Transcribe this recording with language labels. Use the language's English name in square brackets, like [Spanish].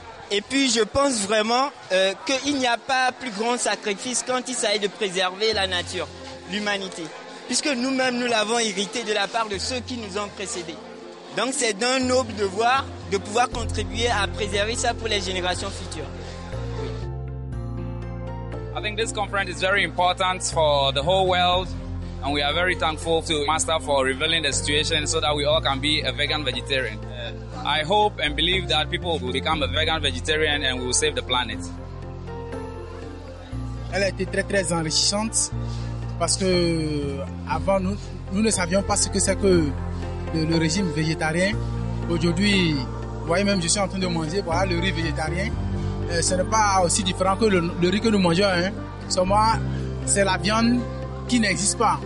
[French] Et puis je pense vraiment qu'il n'y a pas plus grand sacrifice quand il s'agit de préserver la nature, l'humanité. Puisque nous-mêmes, nous l'avons hérité de la part de ceux qui nous ont précédés. Donc c'est d'un noble devoir de pouvoir contribuer à préserver ça pour les générations futures. [English] I think this conference is very important for the whole world and we are very thankful to Master for revealing the situation so that we all can be a vegan vegetarian. I hope and believe that people will become a vegan vegetarian and we will save the planet. [French] Elle a été très très enrichissante parce que avant nous ne savions pas ce que c'est que le régime végétarien. Aujourd'hui, vous voyez, même je suis en train de manger voilà, le riz végétarien. Ce n'est pas aussi différent que le riz que nous mangeons. Hein. Seulement, c'est la viande qui n'existe pas.